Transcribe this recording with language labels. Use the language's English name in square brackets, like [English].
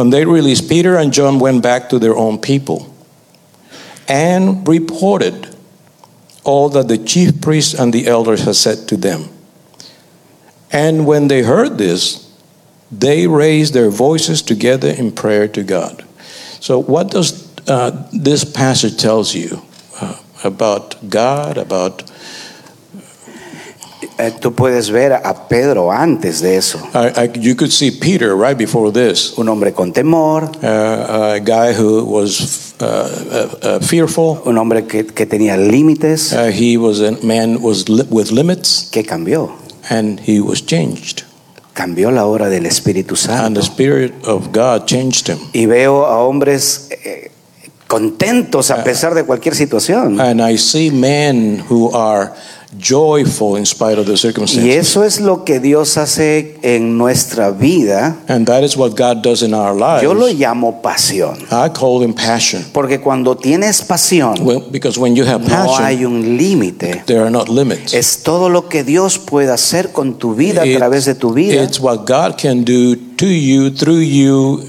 [English] On their release, Peter and John went back to their own people and reported all that the chief priests and the elders had said to them. And when they heard this, they raised their voices together in prayer to God. So what does this passage tells you about God, about [Spanish] tú puedes ver a Pedro antes de eso. [English] You could see Peter right before this. [Spanish] Un hombre con temor. [English] A guy who was fearful. [Spanish] Un hombre que tenía límites. [English] He was a man was with limits. [Spanish] ¿Qué cambió? [English] And he was changed. [Spanish] Cambió la obra del Espíritu Santo. [English] And the Spirit of God changed him. [Spanish] Y veo a hombres contentos a pesar de cualquier situación. [English] And I see men who are joyful in spite of the circumstances. [Spanish] Y eso es lo que Dios hace en nuestra vida. [English] And that is what God does in our lives. [Spanish] Yo lo llamo pasión. [English] I call him passion. [Spanish] Porque cuando tienes pasión, [English] well, because when you have passion, [Spanish] no hay un límite. [English] There are not limits. [Spanish] Es todo lo que Dios puede hacer con tu vida a través de tu vida. [English] It's what God can do to you, through you,